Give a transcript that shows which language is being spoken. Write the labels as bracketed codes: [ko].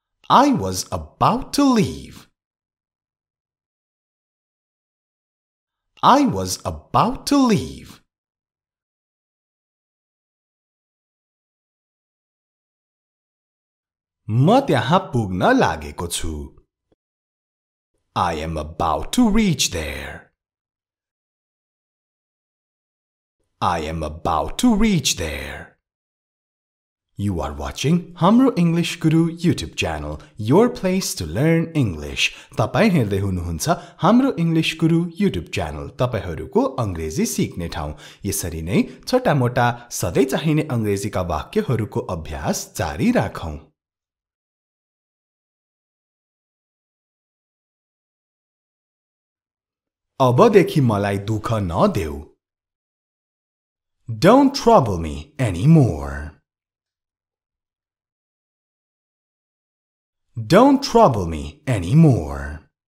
[en] I was about to leave. I was about to leave. [ne] म त्यहाँ पुग्न लागेको छु. [en] I am about to reach there. I am about to reach there. You are watching Hamro English Guru YouTube channel, your place to learn English. [ne] तपाईं हेर्दै हुनुहुन्छ Hamro English Guru YouTube channel, तपाईंहरुको अंग्रेजी सिक्ने ठाउँ. यसरी नै छोटा मोटा सधैं चाहिने अंग्रेजीका वाक्यहरुको अभ्यास जारी राखौं. अब देखि मलाई दुःख नदेऊ. [en] Don't trouble me anymore. Don't trouble me anymore.